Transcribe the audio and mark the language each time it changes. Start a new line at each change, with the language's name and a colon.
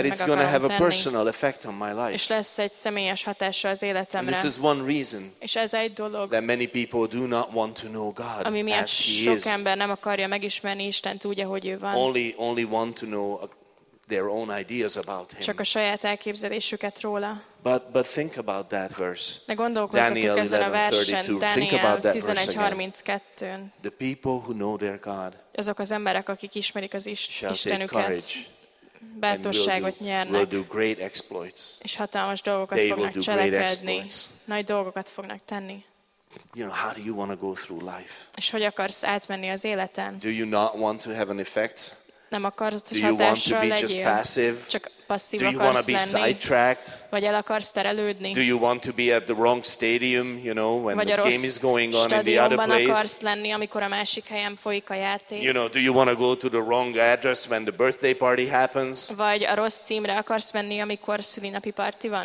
English: that it's going to have a personal effect on my life.
Hungarian: És lesz egy személyes hatása az életemre.
English: And this is one reason.
Hungarian: És ez egy dolog.
English: That many people do not want to know God.
Hungarian: Ami miatt
English: as
Hungarian: sok
English: he is.
Hungarian: Ember nem akarja megismerni Istent úgy, ahogy ő van.
English: Only want to know their own ideas about him.
Hungarian: Csak a saját elképzelésüket róla.
English: But think about that verse.
Hungarian: De gondolkozzatok ezen a versen, Daniel 11:32-n.
English: The people who know their God.
Hungarian: Azok az emberek, akik ismerik az Istenüket. Bátorságot nyernek.
English: Will do great exploits.
Hungarian: És hatalmas dolgokat fognak cselekedni. Nagy dolgokat fognak tenni.
English: You know, how do you want to go through life?
Hungarian: És hogy akarsz átmenni az életen?
English: Do you not want to have an effect?
Hungarian: Nem akarod,
English: do you want to be just passive?
Hungarian: Csak passzív akarsz lenni?
English: Do you want to be sidetracked?
Hungarian: Vagy el akarsz terelődni?
English: Do you want to be at the wrong stadium, you know, when
Hungarian: vagy
English: the game is going on in the other place?
Hungarian: Vagy akarsz lenni, amikor a másik helyen folyik a játék?
English: You know, do you want to go to the wrong address when the birthday party happens?
Hungarian: Vagy a rossz címre akarsz menni, amikor szülinapi parti van?